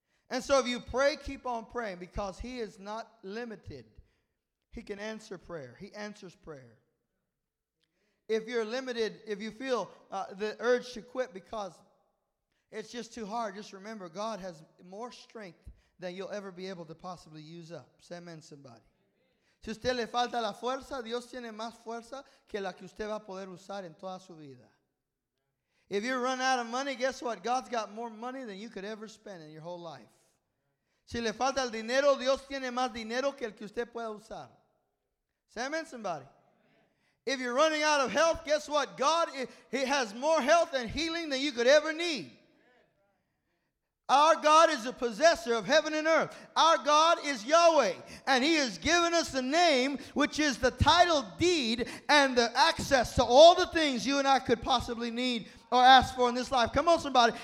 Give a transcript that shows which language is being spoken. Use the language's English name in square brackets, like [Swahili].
[English] And so if you pray, keep on praying, because he is not limited. He can answer prayer. He answers prayer. If you're limited, if you feel the urge to quit because it's just too hard, just remember God has more strength than you'll ever be able to possibly use up. Say amen, somebody. [Spanish] Si usted le falta la fuerza, Dios tiene más fuerza que la que usted va a poder usar en toda su vida. [English] If you run out of money, guess what? God's got more money than you could ever spend in your whole life. [Spanish] Si le falta el dinero, Dios tiene más dinero que el que usted pueda usar. [English] Say amen, somebody. If you're running out of health, guess what? God, he has more health and healing than you could ever need. Our God is the possessor of heaven and earth. Our God is Yahweh. And he has given us the name, which is the title deed and the access to all the things you and I could possibly need or ask for in this life. Come on, somebody.